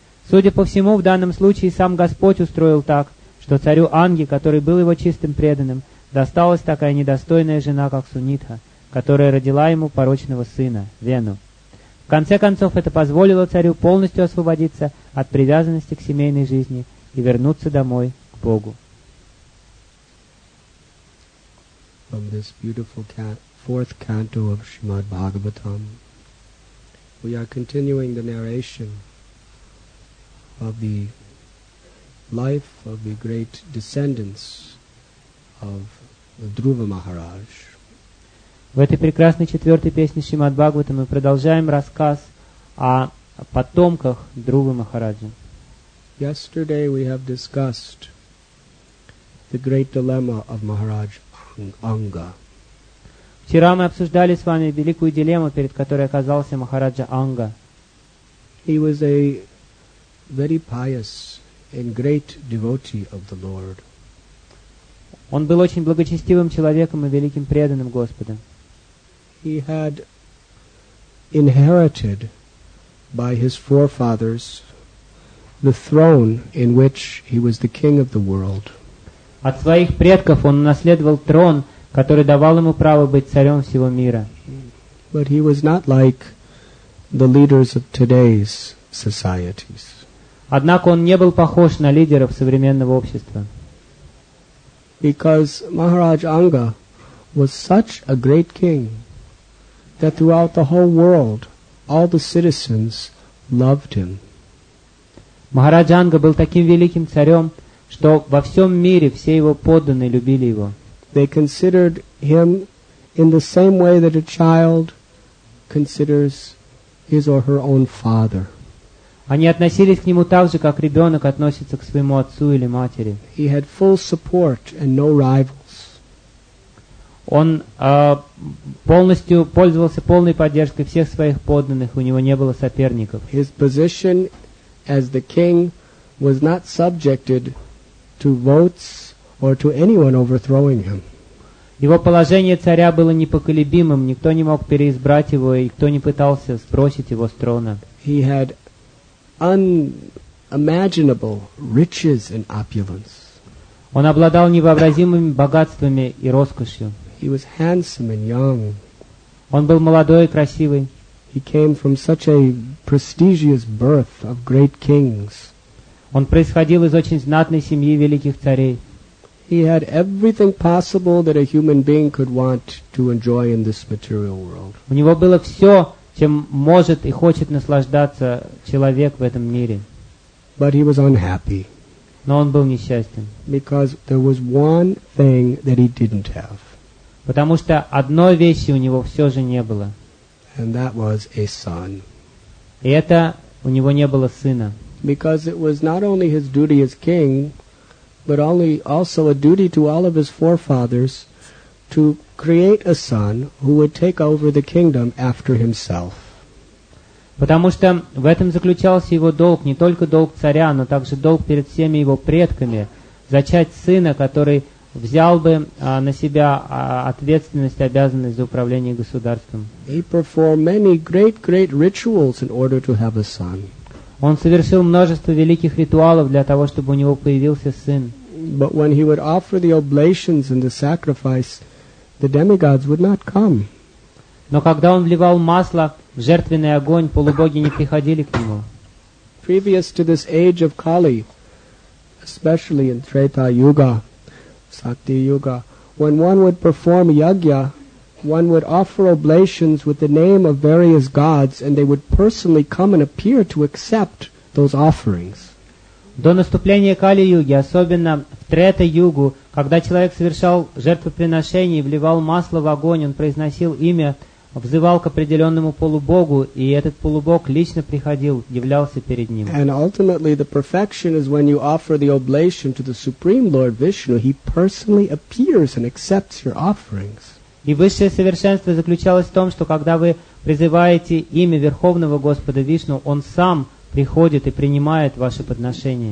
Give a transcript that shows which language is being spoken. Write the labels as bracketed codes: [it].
[ru] Судя по всему, в данном случае сам Господь устроил так, что царю Анги, который был его чистым преданным, досталась такая недостойная жена, как Сунитха, которая родила ему порочного сына, Вену. В конце концов, это позволило царю полностью освободиться от привязанности к семейной жизни и вернуться домой к Богу. [en] From this beautiful fourth canto of Srimad Bhagavatam, we are continuing the narration of the life of the great descendants of Dhruva Maharaj. [ru] В этой прекрасной четвертой песне Шримад Бхагаватам мы продолжаем рассказ о потомках Друвы Махараджи. [en] Yesterday we have discussed the great dilemma of Maharaj Anga. [ru] Вчера мы обсуждали с вами великую дилемму, перед которой оказался Махараджа Анга. [en] He was a very pious and great devotee of the Lord. [ru] Он был очень благочестивым человеком и великим преданным Господа. [en] He had inherited by his forefathers the throne in which he was the king of the world. [ru] От своих предков он унаследовал трон, который давал ему право быть царем всего мира. [en] But he was not like the leaders of today's societies. [ru] Однако он не был похож на лидеров современного общества. [en] Because Maharaj Anga was such a great king that throughout the whole world, all the citizens loved him. [ru] Махарадж Анга был таким великим царем, что во всем мире все его подданные любили его. [en] They considered him in the same way that a child considers his or her own father. [ru] Они относились к нему так же, как ребенок относится к своему отцу или матери. [en] He had full support and no rivals. [ru] Он полностью пользовался полной поддержкой всех своих подданных, у него не было соперников. [en] His position as the king was not subjected to votes or to anyone overthrowing him. [ru] Его положение царя было непоколебимым, никто не мог переизбрать его, и никто не пытался сбросить его с трона. [en] He had unimaginable riches and opulence. [ru] Он обладал невообразимыми богатствами и роскошью. [en] He was handsome and young. [ru] Он был молодой и красивый. [en] He came from such a prestigious birth of great kings. [ru] Он происходил из очень знатной семьи великих царей. [en] He had everything possible that a human being could want to enjoy in this material world. [ru] У него было все, чем может и хочет наслаждаться человек в этом мире. [en] But he was unhappy. [ru] Но он был несчастен. [en] Because there was one thing that he didn't have. [ru] Потому что одной вещи у него все же не было. [en] And that was a son. [ru] И это у него не было сына. [en] Because it was not only his duty as king, but also a duty to all of his forefathers to create a son who would take over the kingdom after himself. [ru] Потому что в этом заключался его долг, не только долг царя, но также долг перед всеми его предками, зачать сына, который взял бы на себя ответственность, обязанность за управление государством. [en] He performed many great rituals in order to have a son. [ru] Он совершил множество великих ритуалов для того, чтобы у него появился сын. [en] But when he would offer the oblations and the sacrifice, the demigods would not come. [ru] Но когда он вливал масло в жертвенный огонь, полубоги не приходили к нему. [en] Previous to this age of Kali, especially in Treta Yuga, Sakti Yuga, when one would perform yagya, one would offer oblations with the name of various gods, and they would personally come and appear to accept those offerings. [ru] До наступления Кали-юги, особенно в Трета-югу, когда человек совершал жертвоприношение и вливал масло в огонь, он произносил имя, взывал к определенному полубогу, и этот полубог лично приходил, являлся перед ним. [en] And ultimately the perfection is when you offer the oblation to the Supreme Lord Vishnu, he personally appears and accepts your offerings. [ru] И высшее совершенство заключалось в том, что когда вы призываете имя Верховного Господа Вишну, он сам приходит и принимает ваши подношения.